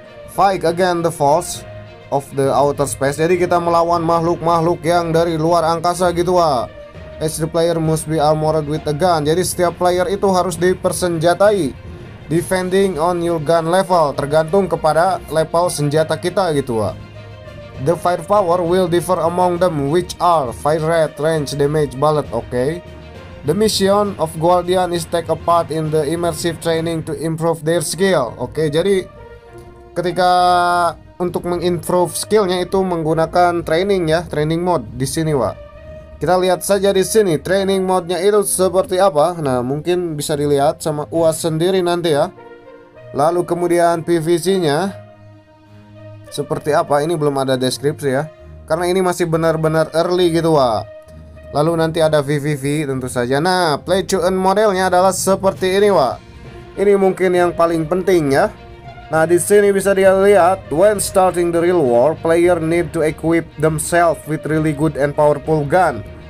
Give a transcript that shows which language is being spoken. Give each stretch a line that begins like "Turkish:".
English: Fight against the force of the outer space.
Indonesian: Jadi kita melawan makhluk-makhluk yang dari luar angkasa gitu, Wak.
English: As the player must be armored with a gun.
Indonesian: Jadi setiap player itu harus dipersenjatai.
English: Depending on your gun level,
Indonesian: tergantung kepada level senjata kita gitu, Wak.
English: The firepower will differ among them, which are fire rate, range, damage, bullet. Okay. The mission of Guardian is take a part in the immersive training to improve their skill.
Indonesian: Okay. Jadi ketika untuk mengimprove skillnya itu menggunakan training ya, training mode di sini, Wak. Kita lihat saja di sini training mode-nya itu seperti apa. Nah, mungkin bisa dilihat sama UAS sendiri nanti ya. Lalu kemudian PVC-nya seperti apa, ini belum ada deskripsi ya, karena ini masih benar-benar early gitu Wak. Lalu nanti ada VVV tentu saja. Nah, play to earn modelnya adalah seperti ini Wak. Ini mungkin yang paling penting ya. Nah, di sini bisa dilihat,
English: when starting the real war, player need to equip themselves with really good and powerful gun.